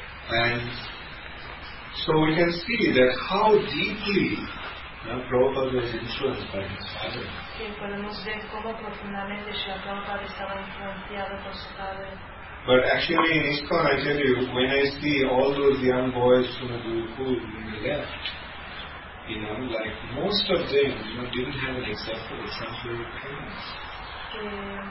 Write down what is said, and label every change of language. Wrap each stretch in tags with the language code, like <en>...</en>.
<en>And so we can see that how deeply Prabhupada was influenced by his father.</en> <es>Que podemos ver cómo profundamente Srila Prabhupada estaba influenciado por su padre.</es> <en>But actually in ISKCON, I tell you, when I see all those young boys from the Gurukul in the left, like most of them, didn't have an example of sanctuary parents.</en>